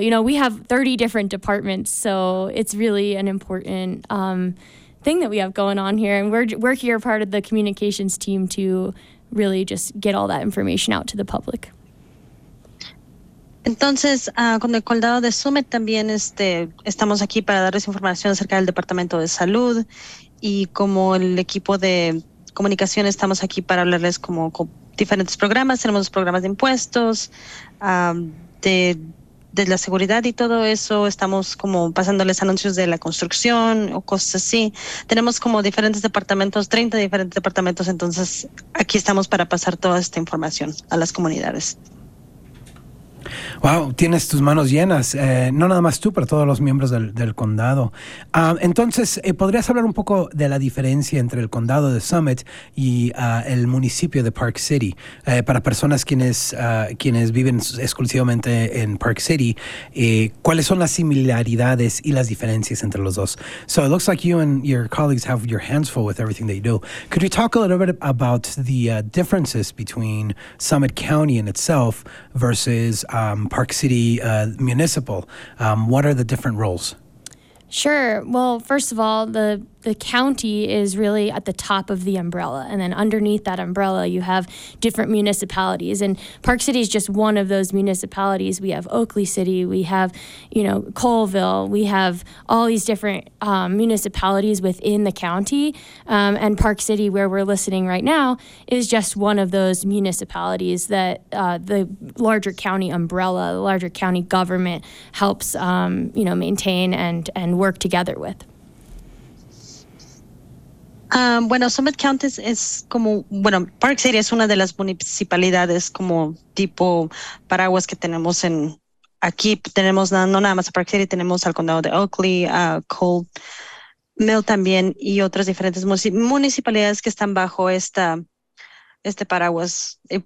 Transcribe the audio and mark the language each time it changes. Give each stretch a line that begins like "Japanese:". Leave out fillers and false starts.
English: You know, we have 30 different departments, so it's really an important thing that we have going on here. And we're here part of the communications team to really just get all that information out to the public.
Spanish: Entonces, con el condado de Summit también estamos aquí para darles información acerca del Departamento de Salud. Y como el equipo de comunicación estamos aquí para hablarles como diferentes programas. Tenemos los programas de impuestos, de la seguridad y todo eso. Estamos como pasándoles anuncios de la construcción o cosas así. Tenemos como diferentes departamentos, 30 diferentes departamentos. Entonces, aquí estamos para pasar toda esta información a las comunidades. Wow, tienes tus manos llenas, no nada más tú, pero todos los miembros del condado. Entonces, ¿podrías hablar un poco de la diferencia entre el condado de Summit y el municipio de Park City? Para personas quienes viven exclusivamente en Park City, ¿cuáles son las similaridades y las diferencias entre los dos?
English: So it looks like you and your colleagues have your hands full with everything that you do. Could you talk a little bit about the differences between Summit County in itself versus Park City Municipal? What are the different roles? Sure. Well, first of all, the county is really at the top of the umbrella. And then underneath that umbrella, you have different municipalities. And Park City is just one of those municipalities. We have Oakley City. We have, you know, Colville. We have all these different municipalities within the county. And Park City, where we're listening right now, is just one of those municipalities that the larger county umbrella, the larger county government helps, maintain and work together with.
Spanish: Bueno, Summit County es como, bueno, Park City es una de las municipalidades como tipo paraguas que tenemos en aquí. Tenemos no nada más a Park City, tenemos al condado de Oakley, Cold Mill también y otras diferentes municipalidades que están bajo este paraguas.